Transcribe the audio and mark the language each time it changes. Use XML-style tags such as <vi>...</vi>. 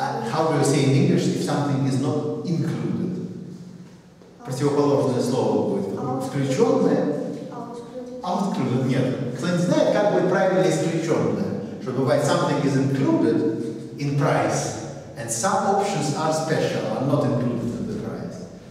<en>How do you say in English if something is not included?</en> <ru>Противоположное слово будет. Включенное?</ru> <en>Outcluded.</en> <ru>Нет. Кто не знает, как будет правильно исключенное? Что бывает,</ru> <en>something is included in price. And some options are special, are not included in the price.</en>